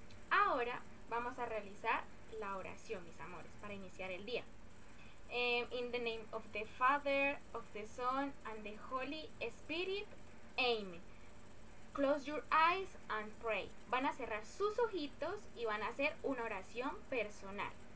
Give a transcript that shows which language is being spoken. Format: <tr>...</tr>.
<es>Ahora vamos a realizar la oración, mis amores, para iniciar el día.</es> <en>In the name of the Father, of the Son, and the Holy Spirit, Amen. Close your eyes and pray.</en> <es>Van a cerrar sus ojitos y van a hacer una oración personal.</es>